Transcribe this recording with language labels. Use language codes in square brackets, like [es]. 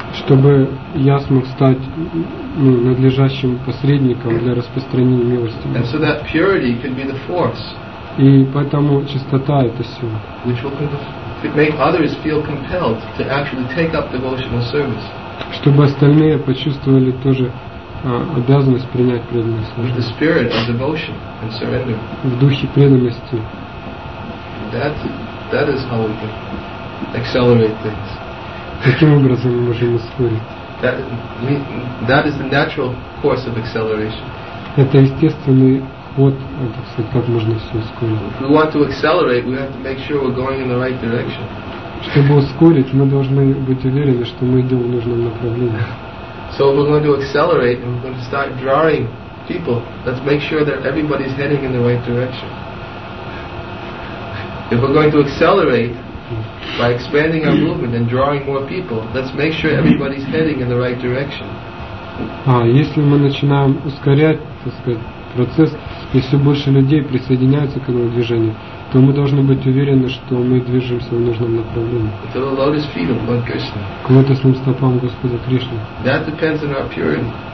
[ru] Чтобы я смог стать надлежащим посредником для распространения милости. [en] And so that purity can be the force. [ru] И поэтому чистота — это сила. [en] Which will make others feel compelled to actually take up devotional service. [ru] Чтобы остальные почувствовали тоже обязанность принять преданное служение. [en] The spirit of devotion and surrender. [ru] В духе преданности. [en] That is how we can accelerate things. [ru] Каким образом мы можем ускорить? [en] That is the natural course of acceleration. [ru] Это естественный ход, так сказать, как можно все ускорить. [en] If we want to accelerate, we have to make sure we're going in the right direction. [ru] Чтобы ускорить, мы должны быть уверены, что мы идем в нужном направлении. [en] So we're going to accelerate and we're going to start drawing people. Let's make sure that everybody's heading in the right direction. If we're going to accelerate by expanding our movement and drawing more people, let's make sure everybody's heading in the right direction. [ru] Если мы начинаем ускорять, так сказать, процесс, и все больше людей присоединяются к этому движению, то мы должны быть уверены, что мы движемся в нужном направлении. [en] To the lotus feet of Lord Krishna. [ru] К лотосным стопам Господа Кришны. [en] That depends on our purity.